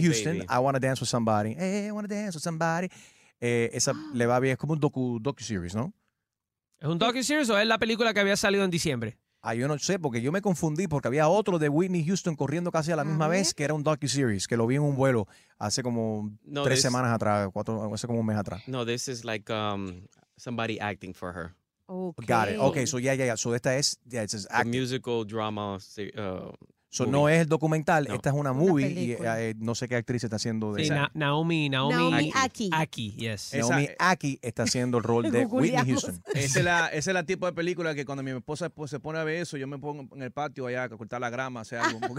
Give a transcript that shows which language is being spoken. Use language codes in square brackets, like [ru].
[en] Houston, baby. I want to dance with somebody. Hey, I want to dance with somebody. [es] esa le va bien. Es como un docu-series, ¿no? ¿Es un docu-series o es la película que había salido en diciembre? Ah, yo no sé, porque yo me confundí, porque había otro de Whitney Houston corriendo casi a la misma vez, que era un docu-series, que lo vi en un vuelo hace como hace como un mes atrás. [en] No, this is like somebody acting for her. Okay. Got it. Okay, so yeah. So [es] esta es, [en] it says acting. The musical drama movie. [es] So no es el documental, esta es una movie, y no sé qué actriz está haciendo de Naomi Aki. Naomi Aki está haciendo el rol de Whitney Houston. Ese es el tipo de película que cuando mi esposa se pone a ver eso, yo me pongo en el patio allá a cortar la grama, o sea, algo.